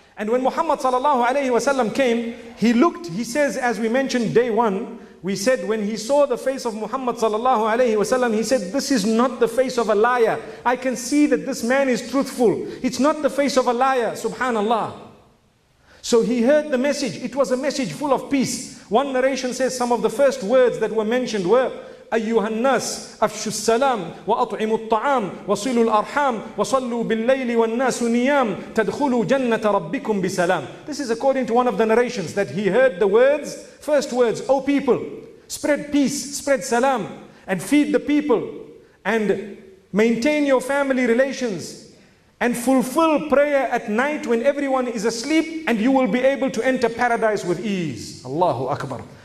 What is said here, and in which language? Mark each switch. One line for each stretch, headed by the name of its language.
English: And when Muhammad sallallahu alayhi wa sallam came, he looked, he says, as we mentioned day one, we said when he saw the face of Muhammad sallallahu alayhi wa sallam, he said, this is not the face of a liar. I can see that this man is truthful. It's not the face of a liar, subhanallah. So he heard the message. It was a message full of peace. One narration says some of the first words that were mentioned were,
Arabic: أيها الناس أفشوا السلام وأطعموا الطعام وصلوا الأرحام وصلوا بالليل والناس نيام تدخلوا جنة ربكم بسلام.
English: This is according to one of the narrations that he heard the words, first words, O people, spread peace, spread salam, and feed the people, and maintain your family relations, and fulfill prayer at night when everyone is asleep, and you will be able to enter paradise with ease. Allahu Akbar.